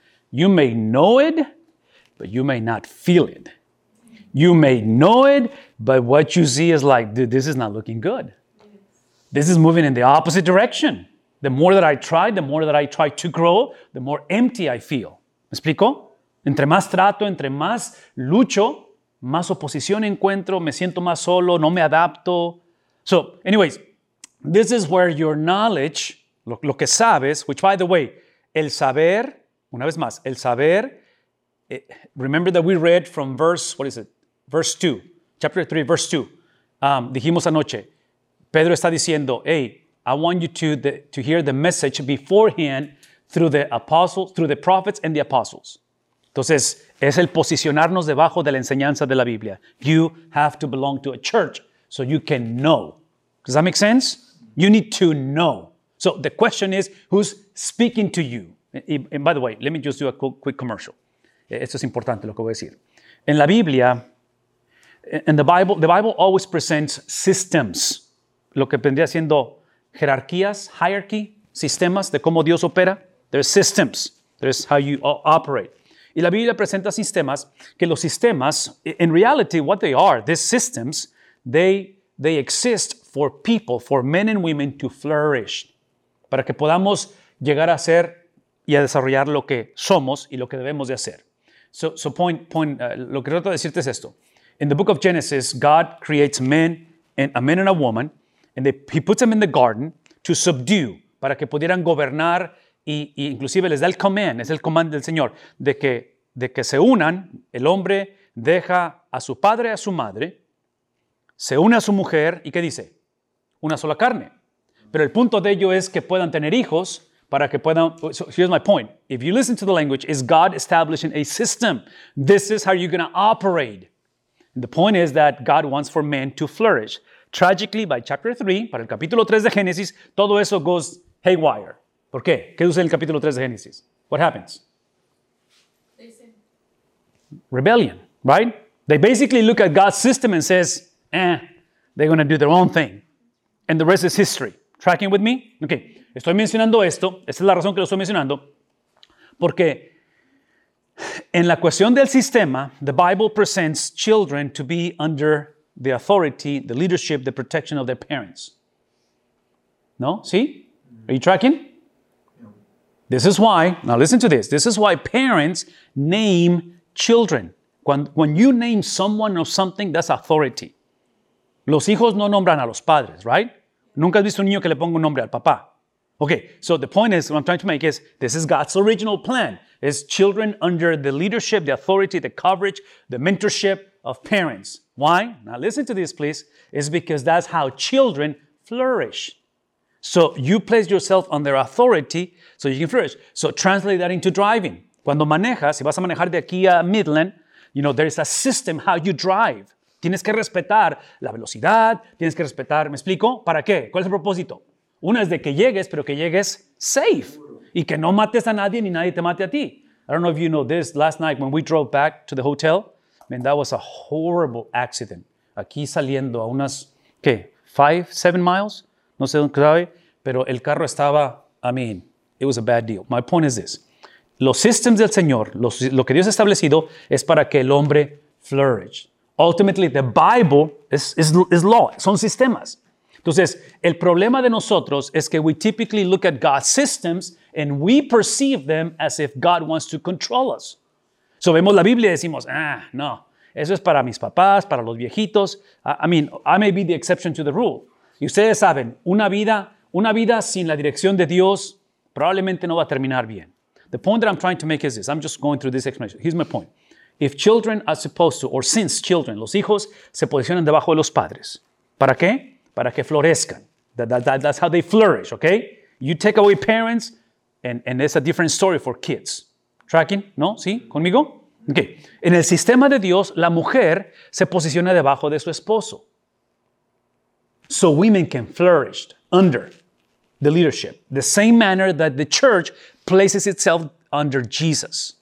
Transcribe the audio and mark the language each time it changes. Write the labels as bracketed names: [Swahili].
[English] You may know it, but you may not feel it. You may know it, but what you see is like, dude, this is not looking good. This is moving in the opposite direction. The more that I try, the more that I try to grow, the more empty I feel. [Spanish] ¿Me explico? Entre más trato, entre más lucho, más oposición encuentro, me siento más solo, no me adapto. [English] So, anyways, this is where your knowledge, [Spanish] lo que sabes, [English] which by the way, [Spanish] el saber, una vez más, el saber. [English] Remember that we read from verse, what is it? Verse 2, chapter 3, verse 2. [Spanish] Dijimos anoche, Pedro está diciendo, [English] hey, I want you to hear the message beforehand through the apostles, through the prophets and the apostles. [Spanish] Entonces, es el posicionarnos debajo de la enseñanza de la Biblia. [English] You have to belong to a church so you can know. Does that make sense? You need to know. So the question is, who's speaking to you? And by the way, let me just do a quick commercial. [Spanish] Esto es importante lo que voy a decir. En la Biblia, en [English] the Bible always presents systems, [Spanish] lo que vendría siendo jerarquías, hierarchy, sistemas de cómo Dios opera. [English] There's systems. There's how you operate. [Spanish] Y la Biblia presenta sistemas que los sistemas, [English] in reality, what they are, these systems, they exist for people, for men and women to flourish, [Spanish] para que podamos llegar a ser y a desarrollar lo que somos y lo que debemos de hacer. So, lo que trato de decirte es esto. [English] In the book of Genesis, God creates men and a man and a woman, and he puts them in the garden to to subdue, [Spanish] para que pudieran gobernar y inclusive les da el command, es el command del Señor, de que se unan. El hombre deja a su padre y a su madre, se une a su mujer, ¿y qué dice? Una sola carne. Pero el punto de ello es que puedan tener hijos para que puedan... [English] So here's my point. If you listen to the language, is God establishing a system? This is how you're going to operate. And the point is that God wants for men to flourish. Tragically, by chapter 3, [Spanish] para el capítulo 3 de Génesis, todo eso [English] goes haywire. [Spanish] ¿Por qué? ¿Qué sucede en el capítulo 3 de Génesis? [English] What happens? Rebellion, right? They basically look at God's system and says, they're going to do their own thing. And the rest is history. Tracking with me? Okay. [Spanish] Estoy mencionando esto. Esta es la razón que lo estoy mencionando. Porque en la cuestión del sistema, [English] the Bible presents children to be under the authority, the leadership, the protection of their parents. No? ¿Sí? Are you tracking? This is why, now listen to this. This is why parents name children. When you name someone or something, that's authority. [Spanish] Los hijos no nombran a los padres, right? Nunca has visto un niño que le ponga un nombre al papá. [English] Okay, so the point is, what I'm trying to make is, this is God's original plan. It's children under the leadership, the authority, the coverage, the mentorship of parents. Why? Now listen to this, please. It's because that's how children flourish. So you place yourself under authority so you can flourish. So translate that into driving. [Spanish] Cuando manejas, si vas a manejar de aquí a Midland, [English] you know, there is a system how you drive. [Spanish] Tienes que respetar la velocidad, tienes que respetar, ¿me explico? ¿Para qué? ¿Cuál es el propósito? Una es de que llegues, pero que llegues safe. Y que no mates a nadie ni nadie te mate a ti. [English] I don't know if you know this, last night when we drove back to the hotel, man, that was a horrible accident. [Spanish] Aquí saliendo a unas, ¿qué? 5-7 miles? No sé dónde sabe, pero el carro estaba, [English] I mean, it was a bad deal. My point is this. [Spanish] Los systems del Señor, lo que Dios ha establecido, es para que el hombre flourish. [English] Ultimately, the Bible is law. [Spanish] Son sistemas. Entonces, el problema de nosotros es que [English] we typically look at God's systems and we perceive them as if God wants to control us. [Spanish] So, vemos la Biblia y decimos, no, eso es para mis papás, para los viejitos. [English] I may be the exception to the rule. [Spanish] Y ustedes saben, una vida sin la dirección de Dios probablemente no va a terminar bien. [English] The point that I'm trying to make is this. I'm just going through this explanation. Here's my point. If children are supposed to, or since children, [Spanish] los hijos se posicionan debajo de los padres. ¿Para qué? Para que florezcan. [English] That's how they flourish, okay? You take away parents, and it's a different story for kids. [Spanish] ¿Tracking? ¿No? ¿Sí? ¿Conmigo? Okay. En el sistema de Dios, la mujer se posiciona debajo de su esposo. [English] So women can flourish under the leadership. The same manner that the church places itself under Jesus.